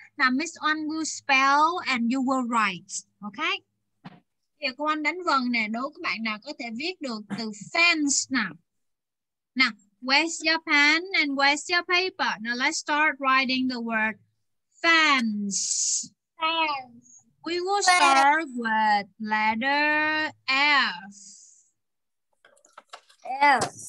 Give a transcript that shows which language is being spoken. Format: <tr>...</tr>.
<en>Now Miss On will spell and you will write. Okay?</en> <vi>Thì cô Anh đánh vần nè, đố các bạn nào có thể viết được từ fence nào.</vi> <en>Now, where's your pen and where's your paper? Now let's start writing the word fence. Fence. We will fence. Start with letter F. F.</en>